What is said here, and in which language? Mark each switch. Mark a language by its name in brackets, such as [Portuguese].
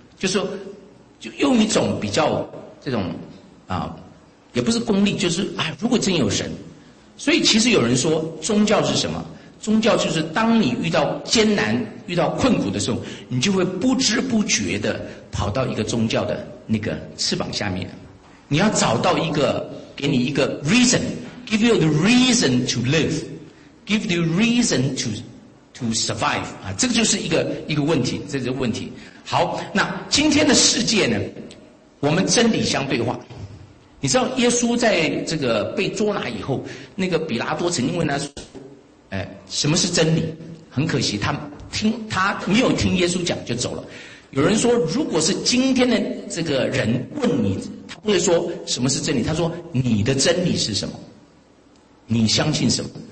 [Chinese] 就说就用一种比较这种啊，也不是功利，就是啊，如果真有神。所以其实有人说，宗教是什么？宗教就是当你遇到艰难、遇到困苦的时候，你就会不知不觉的跑到一个宗教的那个翅膀下面。你要找到一个给你一个 reason， [English] give you the reason to live， give you reason to survive [Chinese] 啊，这个就是一个问题，这个问题。好，那今天的世界呢，我们真理相对化。你知道耶稣在这个被捉拿以后，那个比拉多曾经问他说，什么是真理？很可惜他没有听耶稣讲就走了。有人说，如果是今天的这个人问你，他不会说什么是真理，他说你的真理是什么，你相信什么。